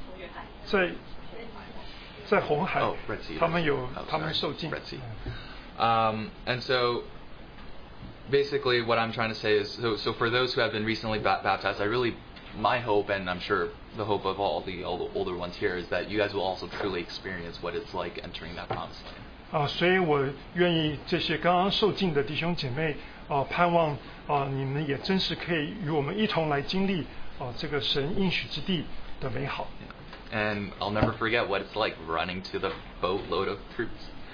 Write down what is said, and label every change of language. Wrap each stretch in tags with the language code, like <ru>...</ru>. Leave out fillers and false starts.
<zh>有一些年轻的弟兄姐妹也在红海。</zh> <en>Oh, Red Sea.</en> <zh>他们受浸。</zh> <en>Red Sea. And so basically what I'm trying to say is, so for those who have been recently baptized, my hope, and I'm sure the hope of all the older ones here, is that you guys will also truly experience what it's like entering that promised land.</en> <zh>所以我愿意这些刚刚受浸的弟兄姐妹，盼望你们也真实可以与我们一同来经历这个神应许之地的美好。</zh> <en>And I'll never forget what it's like running to the boatload of troops.</en>